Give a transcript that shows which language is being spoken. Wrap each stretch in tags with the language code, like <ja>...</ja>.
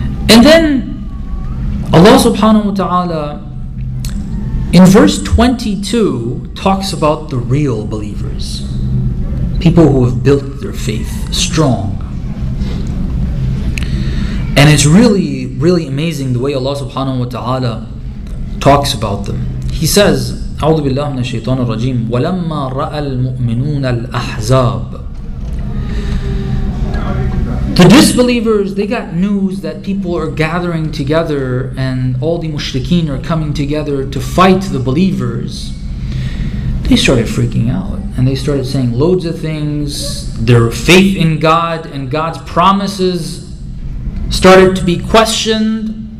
<en>And then Allah subhanahu wa ta'ala in verse 22 talks about the real believers, people who have built their faith strong. And it's really, really amazing the way Allah subhanahu wa ta'ala talks about them. He says,</en> <ar>أعوذ بالله من الشيطان الرجيم ولما رأى المؤمنون الأحزاب.</ar> <en>The disbelievers, they got news that people are gathering together and all the mushrikeen are coming together to fight the believers. They started freaking out and they started saying loads of things. Their faith in God and God's promises started to be questioned.</en>